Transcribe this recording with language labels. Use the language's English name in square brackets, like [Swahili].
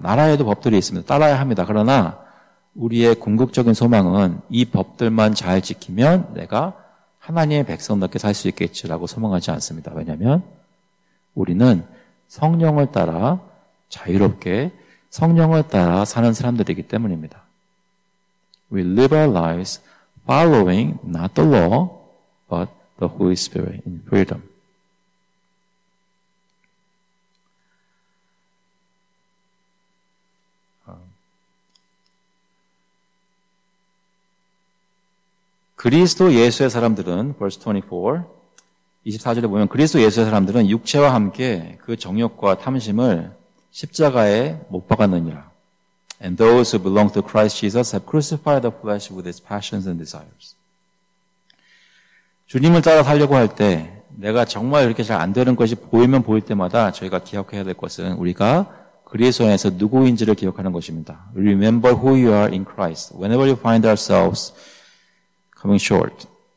[Korean] 나라에도 법들이 있습니다. 따라야 합니다. 그러나 우리의 궁극적인 소망은 이 법들만 잘 지키면 내가 하나님의 백성답게 살 수 있겠지라고 소망하지 않습니다. 왜냐하면 우리는 성령을 따라 자유롭게 성령을 따라 사는 사람들이기 때문입니다. [English] We live our lives following not the law but the Holy Spirit in freedom. [Korean] 그리스도 예수의 사람들은 verse 24, 24절에 보면 그리스도 예수의 사람들은 육체와 함께 그 정욕과 탐심을 십자가에 못 박았느니라. [English] And those who belong to Christ Jesus have crucified the flesh with its passions and desires. [Korean] 주님을 따라 살려고 할 때 내가 정말 이렇게 잘 안 되는 것이 보이면 보일 때마다 저희가 기억해야 될 것은 우리가 그리스도 안에서 누구인지를 기억하는 것입니다. [English] Remember who you are in Christ. Whenever you find ourselves coming short.